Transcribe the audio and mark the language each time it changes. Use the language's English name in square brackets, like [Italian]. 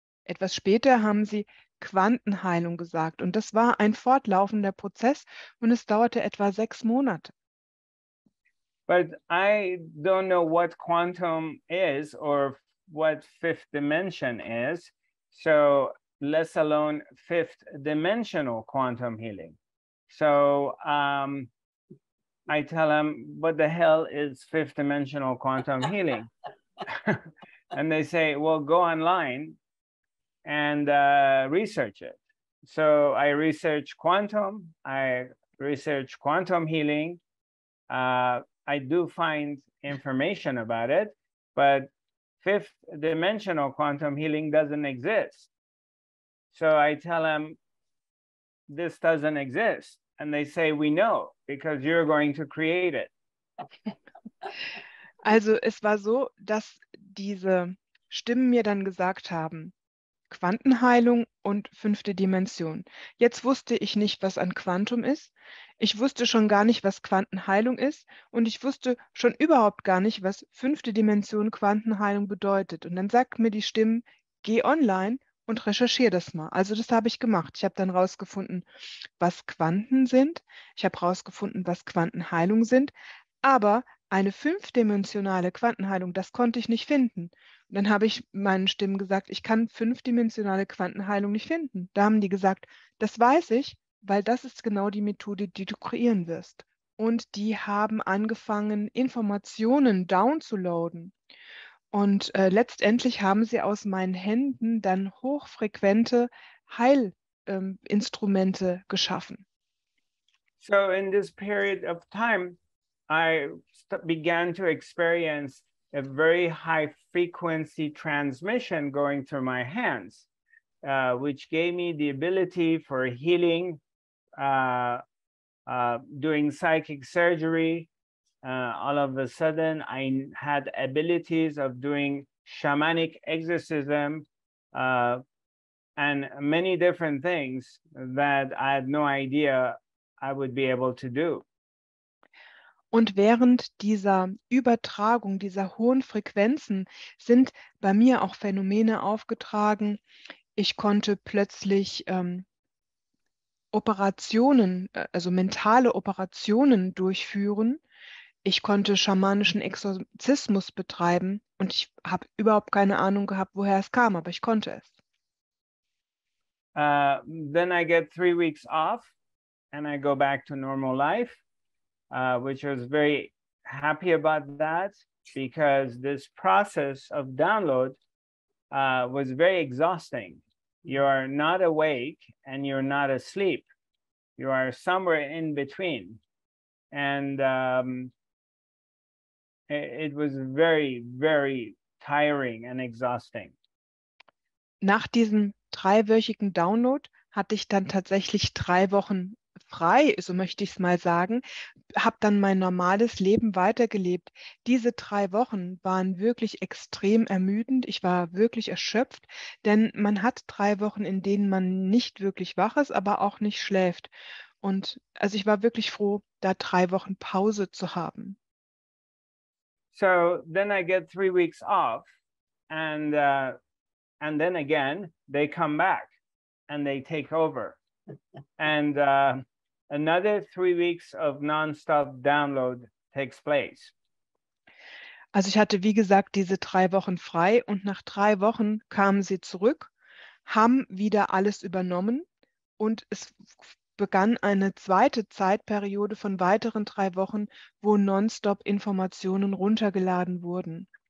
[German] Etwas später haben sie Quantenheilung gesagt, und das war ein fortlaufender Prozess und es dauerte etwa 6 Monate. [English] But I don't know what quantum is or what fifth dimension is, so let alone fifth dimensional quantum healing. So I tell them, what the hell is fifth dimensional quantum healing? And they say, well, go online and research it. So I research quantum, healing. I do find information about it, but fifth dimensional quantum healing doesn't exist. So I tell them, this doesn't exist. And they say, we know, because you're going to create it. [German] Also es war so, dass diese Stimmen mir dann gesagt haben, Quantenheilung und fünfte Dimension. Jetzt wusste ich nicht, was ein Quantum ist. Ich wusste schon gar nicht, was Quantenheilung ist. Und ich wusste schon überhaupt gar nicht, was fünfte Dimension Quantenheilung bedeutet. Und dann sagt mir die Stimme, geh online und recherchiere das mal. Also das habe ich gemacht. Ich habe dann rausgefunden, was Quanten sind. Ich habe rausgefunden, was Quantenheilung sind. Aber eine fünfdimensionale Quantenheilung, das konnte ich nicht finden. Und dann habe ich meinen Stimmen gesagt, ich kann fünfdimensionale Quantenheilung nicht finden. Da haben die gesagt, das weiß ich, weil das ist genau die Methode, die du kreieren wirst. Und die haben angefangen, Informationen downzuloaden. Und letztendlich haben sie aus meinen Händen dann hochfrequente Heilinstrumente geschaffen. [English] So in this period of time, I began to experience a very high frequency transmission going through my hands, which gave me the ability for healing, doing psychic surgery. All of a sudden, I had abilities of doing shamanic exorcism and many different things that I had no idea I would be able to do. [German] Und während dieser Übertragung, dieser hohen Frequenzen, sind bei mir auch Phänomene aufgetragen. Ich konnte plötzlich Operationen, also mentale Operationen durchführen. Ich konnte schamanischen Exorzismus betreiben und ich habe überhaupt keine Ahnung gehabt, woher es kam, aber ich konnte es. [English] Then I get 3 weeks off and I go back to normal life, which I was very happy about that, because this process of download was very exhausting. You are not awake and you're not asleep. You are somewhere in between. And it was very, very tiring and exhausting. [German] Nach diesem dreiwöchigen Download hatte ich dann tatsächlich 3 Wochen frei, so möchte ich es mal sagen, habe dann mein normales Leben weitergelebt. Diese 3 Wochen waren wirklich extrem ermüdend. Ich war wirklich erschöpft, denn man hat 3 Wochen, in denen man nicht wirklich wach ist, aber auch nicht schläft. Und also ich war wirklich froh, da 3 Wochen Pause zu haben. [English] So then I get 3 weeks off and then again they come back and they take over. And another 3 weeks of nonstop download takes place. [German] Also ich hatte, wie gesagt, diese 3 Wochen frei und nach 3 Wochen kamen sie zurück, haben wieder alles übernommen und es begann eine zweite Zeitperiode von weiteren 3 Wochen, wo nonstop Informationen runtergeladen wurden.